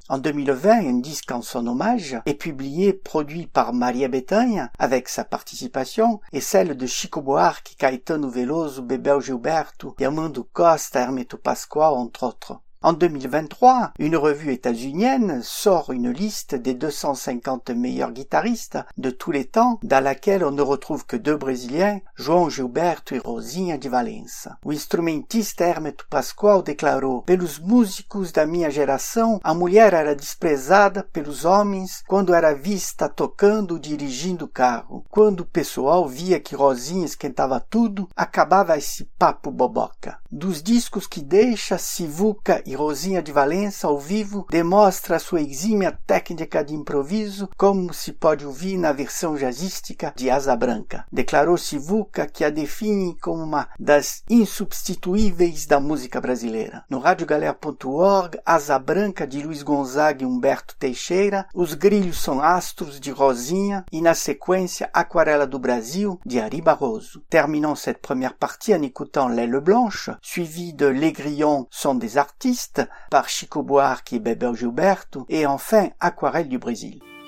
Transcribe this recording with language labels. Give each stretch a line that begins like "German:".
French: En 2020, un disque en son hommage est publié, produit par Maria Bethânia, avec sa participation et celle de Chico Buarque, Caetano Veloso, Bebel Gilberto, Armando Costa, Hermeto Pascoal, entre autres. En 2023, une revue états-unienne sort une liste des 250 meilleurs guitaristes de tous les temps, dans laquelle on ne retrouve que deux Brésiliens, João Gilberto et Rosinha de Valença.
Portuguese: O instrumentista Hermeto Pascoal declarou: pelos músicos da minha geração, a mulher era desprezada pelos homens quando era vista tocando ou dirigindo o carro. Quando o pessoal via que Rosinha esquentava tudo, acabava esse papo boboca. Dos discos que deixa, Sivuca e Rosinha de Valença ao vivo demonstra sua exímia técnica de improviso, como se pode ouvir na versão jazzística de Asa Branca. Declarou Sivuca, que a define como uma das insubstituíveis da música brasileira. No radiogalera.org, Asa Branca de Luiz Gonzaga e Humberto Teixeira, Os Grilhos São Astros de Rosinha e, na sequência, Aquarela do Brasil de Ari Barroso.
French: Terminons cette première partie en écoutant L'Aile Blanche, suivi de Les Grillons sont des artistes, par Chico Buarque et Bebel Gilberto, et enfin Aquarelle du Brésil.